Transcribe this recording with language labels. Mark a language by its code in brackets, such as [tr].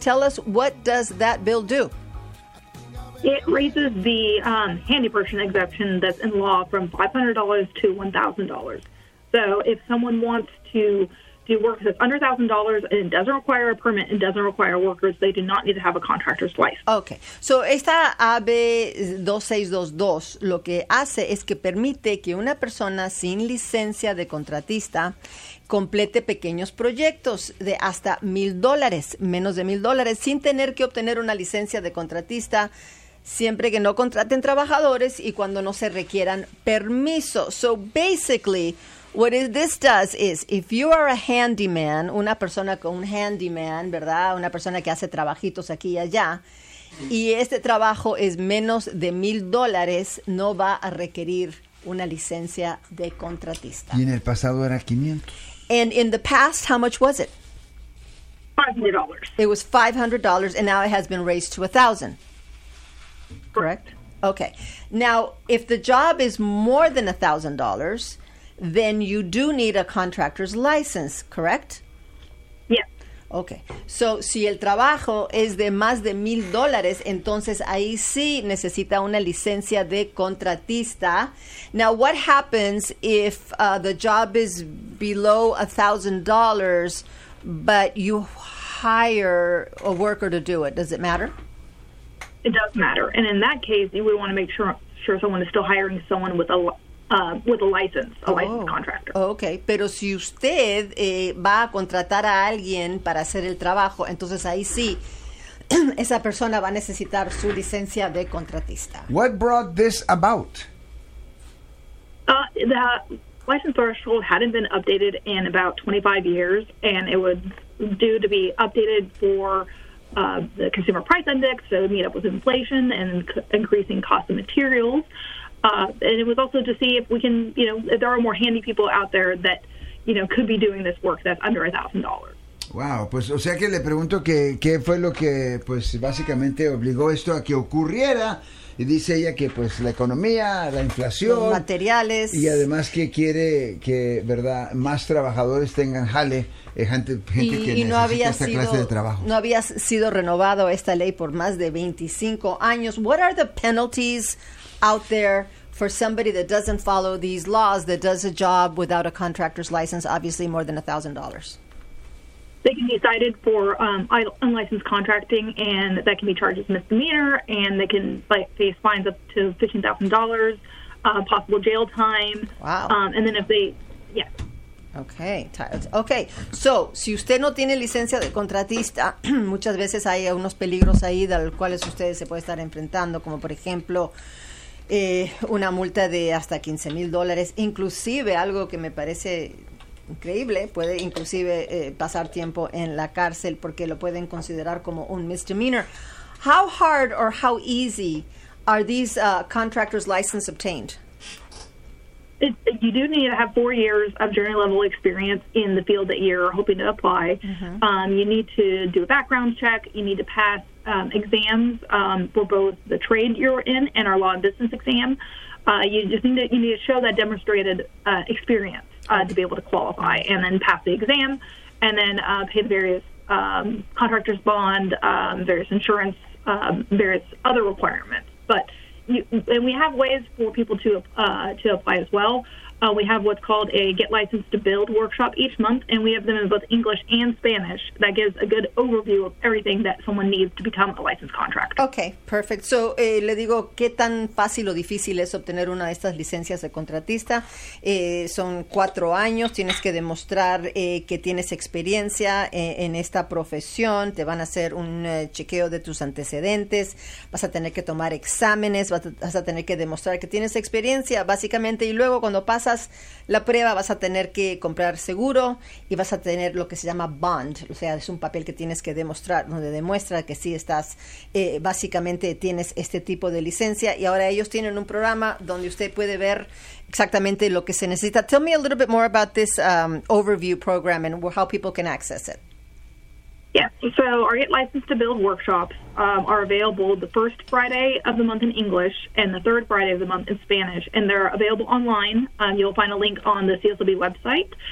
[en] Tell us, what does that bill do? It raises the handy person exemption that's in law from $500 to $1,000. So if someone wants to do work that's under $1,000 and doesn't require a permit and doesn't require workers, they do not need to have a contractor's license. Okay. [es] So esta AB 2622 lo que hace es que permite que una persona sin licencia de contratista complete pequeños proyectos de hasta $1,000, menos de $1,000, sin tener que obtener una licencia de contratista, siempre que no contraten trabajadores y cuando no se requieran permisos. [en] So basically, what this does is, if you are a handyman, [es] una persona con un handyman, ¿verdad? Una persona que hace trabajitos aquí y allá, y este trabajo es menos de $1,000, no va a requerir una licencia de contratista. Y en el pasado era 500. [en] And in the past, how much was it? $500. It was $500, and now it has been raised to $1,000. Correct? Okay. Now, if the job is more than $1,000, then you do need a contractor's license, correct? Yeah. Okay. [es] So, si el trabajo es de más de $1,000, entonces ahí sí necesita una licencia de contratista. [en] Now, what happens if the job is below $1,000, but you hire a worker to do it? Does it matter? It does matter. And in that case, you would want to make sure someone is still hiring someone with a license contractor. [es] Okay, pero si usted va a contratar a alguien para hacer el trabajo, entonces ahí sí, esa persona va a necesitar su licencia de contratista. [en] What brought this about? The license threshold hadn't been updated in about 25 years, and it was due to be updated for the Consumer Price Index, so it meet up with inflation and increasing cost of materials. And it was also to see if we can, you know, if there are more handy people out there that, you know, could be doing this work that's under $1,000. [es] Wow, pues, o sea que le pregunto que qué fue lo que, pues, básicamente obligó esto a que ocurriera. Y dice ella que, pues, la economía, la inflación, los materiales, y además que quiere que, verdad, más trabajadores tengan jale, gente que necesita esta clase de trabajo. No había sido renovado esta ley por más de 25 años. [en] What are the penalties out there for somebody that doesn't follow these laws, that does a job without a contractor's license, obviously more than $1,000? They can be cited for unlicensed contracting, and that can be charged as misdemeanor, and they can face fines up to $15,000, possible jail time. Wow. And then if they, yeah. Okay. [es] So, si usted no tiene licencia de contratista, muchas veces hay unos peligros ahí de los cuales ustedes se puede estar enfrentando, como por ejemplo, una multa de hasta $15,000, inclusive algo que me parece increíble, puede inclusive pasar tiempo en la cárcel porque lo pueden considerar como un misdemeanor. [en] How hard or how easy are these contractors' license obtained? You do need to have 4 years of journey level experience in the field that you're hoping to apply. Mm-hmm. You need to do a background check. You need to pass exams for both the trade you're in and our law and business exam. You need to show that demonstrated experience to be able to qualify, and then pass the exam, and then pay the various contractor's bond, various insurance, various other requirements. But and we have ways for people to apply as well. We have what's called a Get Licensed to Build workshop each month, and we have them in both English and Spanish. That gives a good overview of everything that someone needs to become a licensed contractor. Okay, perfect. [es] So, le digo, ¿qué tan fácil o difícil es obtener una de estas licencias de contratista? Son 4 años, tienes que demostrar que tienes experiencia en esta profesión, te van a hacer un chequeo de tus antecedentes, vas a tener que tomar exámenes, vas a tener que demostrar que tienes experiencia, básicamente, y luego cuando pasa pasas la prueba, vas a tener que comprar seguro y vas a tener lo que se llama bond. O sea, es un papel que tienes que demostrar, donde demuestra que sí estás, básicamente tienes este tipo de licencia. Y ahora ellos tienen un programa donde usted puede ver exactamente lo que se necesita. [en] Tell me a little bit more about this overview program and how people can access it. Yes. So our Get Licensed to Build workshops are available the first Friday of the month in English and the third Friday of the month in Spanish. And they're available online. You'll find a link on the CSLB website.